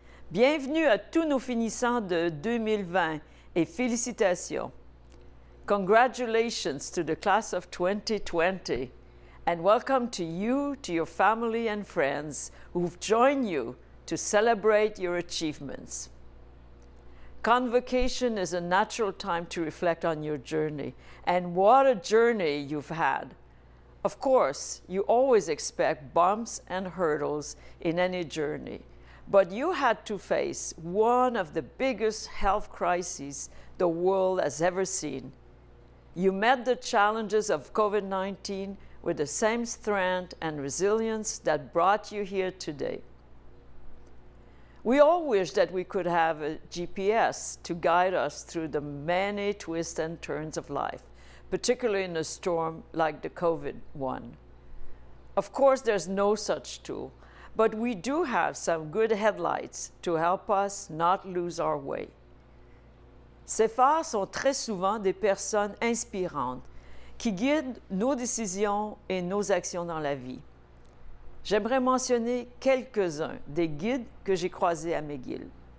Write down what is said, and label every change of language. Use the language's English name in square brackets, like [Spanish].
[French] Bienvenue à tous nos finissants de 2020 et félicitations. [English] Congratulations to the class of 2020 and welcome to you, to your family and friends who've joined you to celebrate your achievements. Convocation is a natural time to reflect on your journey, and what a journey you've had. Of course, you always expect bumps and hurdles in any journey, but you had to face one of the biggest health crises the world has ever seen. You met the challenges of COVID-19 with the same strength and resilience that brought you here today. We all wish that we could have a GPS to guide us through the many twists and turns of life, particularly in a storm like the COVID one. Of course, there's no such tool, but we do have some good headlights to help us not lose our way. [French] Ces phares sont très souvent des personnes inspirantes qui guident nos décisions et nos actions dans la vie. j'aimerais mentionner quelques-uns des guides que j'ai croisés à McGill.